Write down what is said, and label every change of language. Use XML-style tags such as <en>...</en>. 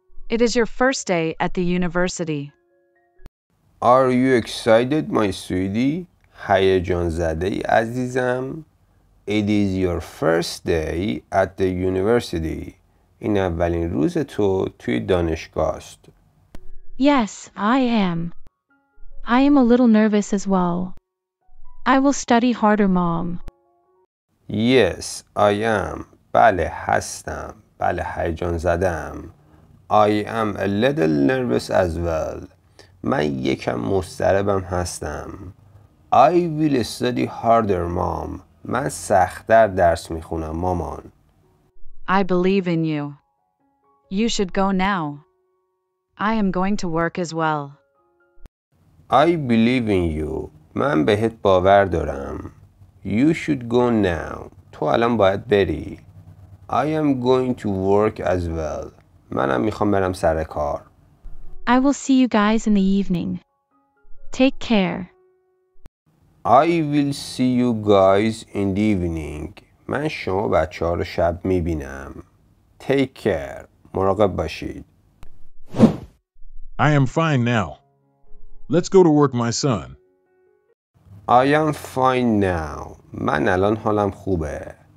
<en>It is your first day at the university. Are you excited, my sweetie?</en> <fa>هیجان زده ای عزیزم.</fa> <en>It is your first day at the university.</en> <fa>این اولین روز تو توی دانشگاه است.</fa> <en>Yes, I am. I am a little nervous as well. I will study harder, mom. Yes, I am.</en> <fa>بله هستم. بله هیجان زدم.</fa> <en>I am a little nervous as well.</en> <fa>من یکم مضطربم هستم.</fa> <en>I will study harder, mom.</en> <fa>من سخت‌تر درس می‌خونم، مامان.</fa> <en>I believe in you. You should go now. I am going to work as well. I believe in you.</en> <fa>من بهت باور دارم.</fa> <en>You should go now.</en> <fa>تو الان باید بری.</fa> <en>I am going to work as well.</en> <fa>منم می‌خوام برم سر کار.</fa> <en>I will see you guys in the evening. Take care. I will see you guys in the evening.</en> <fa>من شما بچه‌ها رو شب می‌بینم.</fa> <en>Take care.</en> <fa>مراقب باشید.</fa> <en>I am fine now. Let's go to work, my son. I am fine now.</en> <fa>من الان حالم خوبه.</fa>